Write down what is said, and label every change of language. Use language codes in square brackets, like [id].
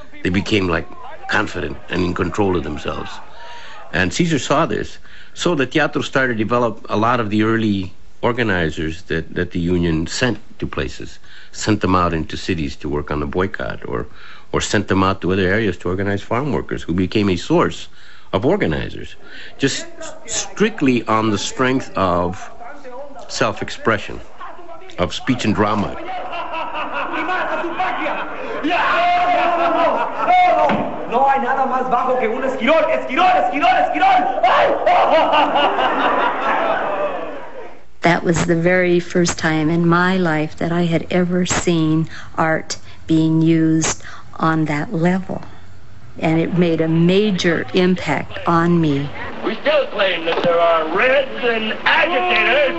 [en] They became, like, confident and in control of themselves. And Caesar saw this, so the teatro started to develop a lot of the early organizers that the union sent to places, sent them out into cities to work on the boycott, or sent them out to other areas to organize farm workers, who became a source of organizers, just strictly on the strength of self-expression, of speech and drama. [es] No hay nada más bajo que un esquirol, esquirol, esquirol, esquirol. [en] That was the very first time in my life that I had ever seen art being used on that level. And it made a major impact on me. We still claim that there are reds and agitators.